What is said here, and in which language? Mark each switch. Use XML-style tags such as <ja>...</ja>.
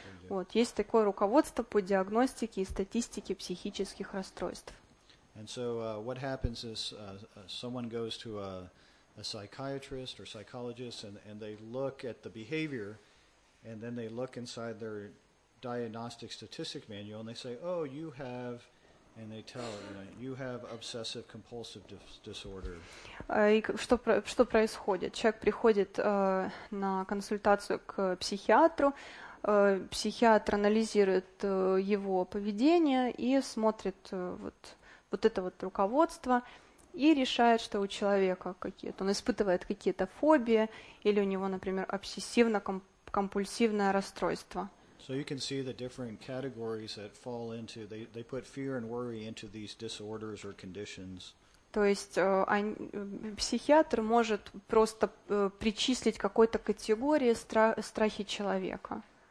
<ru>Вот, есть такое руководство по диагностике и статистике психических расстройств.</ru> <en>And so, what happens is someone goes to a psychiatrist or psychologist and they look at the behavior and then they look inside their diagnostic statistic manual and they say, oh, you have, and they tell you, you have obsessive compulsive disorder.</en> <ru>Что происходит? Человек приходит на консультацию к психиатру, психиатр анализирует его поведение и смотрит вот это вот руководство, и решает, что у человека какие-то, он испытывает какие-то фобии, или у него, например, обсессивно-компульсивное расстройство.</ru> <en>So you can see the different categories that fall into, they put fear and worry into these disorders or conditions.</en> <ru>То есть психиатр может просто причислить какой-то категории страхи человека.</ru>